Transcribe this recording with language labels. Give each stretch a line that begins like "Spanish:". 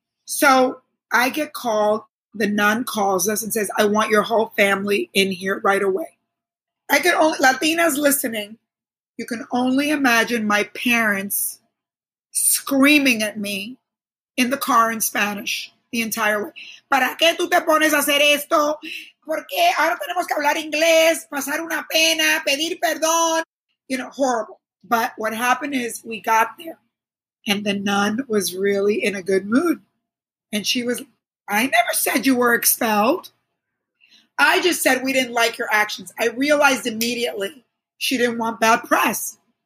English: So I get called, the nun calls us and says, I want your whole family in here right away. I could only, Latinas listening, you can only imagine my parents screaming at me in the car in Spanish. The entire way.
Spanish: ¿Para qué tú te pones a hacer esto? ¿Por qué ahora tenemos que hablar inglés? Pasar una pena, pedir perdón.
English: You know, horrible. But what happened is we got there and the nun was really in a good mood. And she was, I never said you were expelled. I just said we didn't like your actions. I realized immediately she didn't want bad press.